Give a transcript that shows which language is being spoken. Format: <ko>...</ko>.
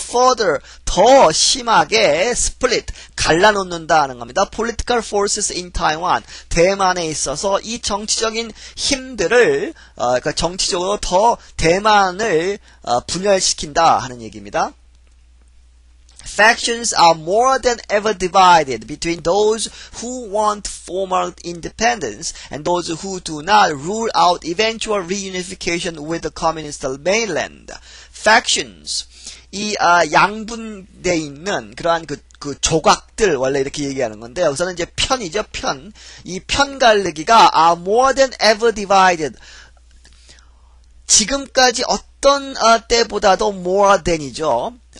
<ko>Further 더 심하게 split 갈라놓는다는 겁니다.</ko> <en>Political forces in Taiwan.</en> <ko>대만에 있어서 이 정치적인 힘들을 그러니까 정치적으로 더 대만을 분열시킨다 하는 얘기입니다.</ko> <en>Factions are more than ever divided between those who want formal independence and those who do not rule out eventual reunification with the communist mainland. Factions.</en> <ko>이 양분되어 있는 그러한 그 조각들 원래 이렇게 얘기하는 건데 여기서는 이제 편이죠, 편. 이편 갈르기가</ko> <en>are more than ever divided.</en> <ko>지금까지 어떤 때보다도</ko> <en>more than</en> <ko>이죠.</ko>